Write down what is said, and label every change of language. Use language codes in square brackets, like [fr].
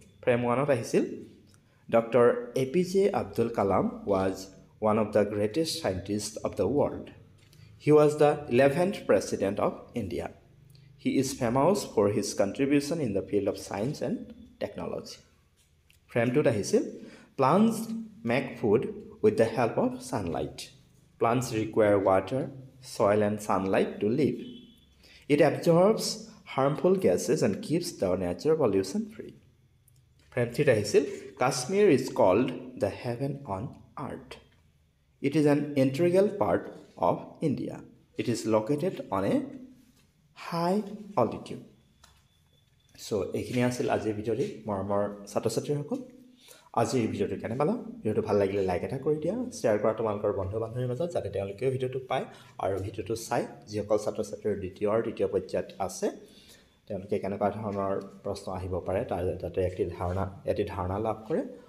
[as] Frame 1ত আহিছিল [en] Doctor APJ Abdul Kalam was one of the greatest scientist of the world, he was the 11th president of India, he is famous for his contribution in the field of science and technology. [as] Frame 2ত আহিছিল [en] Plants make food with the help of sunlight, plants require water, soil and sunlight to live, it absorbs harmful gases and keeps the natural pollution free. Frame 3 [as] আহিছিল [en] Kashmir is called the heaven on earth, it is an integral part of India, it is located on a high altitude. [as] So এইখিনি আছিল আজিৰ ভিডিঅ'ৰ মৰমৰ ছাত্ৰ-ছাত্ৰীসকল। আজিৰ ভিডিঅ'টো কেনে পালা? ভিডিঅ'টো ভাল লাগিলে লাইক এটা কৰি দিয়া, শ্বেয়াৰ কৰা তোমালোকৰ বন্ধু বান্ধৱীৰ মাজত যাতে তেওঁলোকেও ভিডিঅ'টো পায়, আৰু ভিডিঅ'টো চাই যিসকল ছাত্ৰ ছাত্ৰীৰ দ্বিতীয় পৰ্যায়ত আছে তেওঁলোকে তেওঁলোকে কেনেকুৱা ধৰণৰ প্ৰশ্ন আহিব পাৰে তাৰ যাতে এটি ধাৰণা লাভ কৰে।